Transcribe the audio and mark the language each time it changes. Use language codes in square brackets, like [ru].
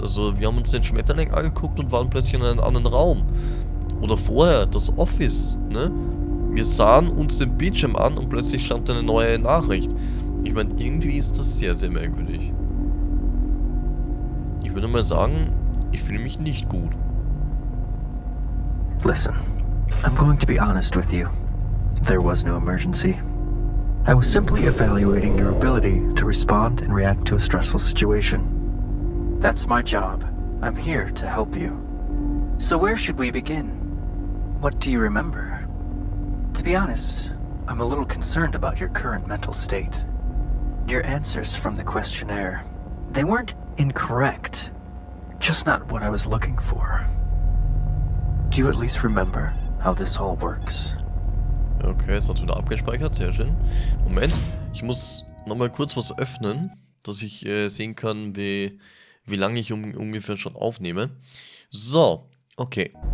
[de] Also wir haben uns den Schmetterling angeguckt und waren plötzlich in einem anderen Raum. Oder vorher, das Office, ne? Wir sahen uns den Bildschirm an und plötzlich stand eine neue Nachricht. Ich meine, irgendwie ist das sehr, sehr merkwürdig. Ich würde mal sagen, ich fühle mich nicht gut. [en] Listen, I'm going to be honest with you. There was no emergency. I was simply evaluating your ability to respond and react to a stressful situation. That's my job. I'm here to help you. So where should we begin? What do you remember? To be honest, I'm a little concerned about your current mental state. Your answers from the questionnaire, they weren't incorrect, just not what I was looking for. Do you at least remember how this all works? [de] Okay, es hat wieder abgespeichert, sehr schön. Moment, ich muss nochmal kurz was öffnen, dass ich sehen kann, wie lange ich ungefähr schon aufnehme. So, okay.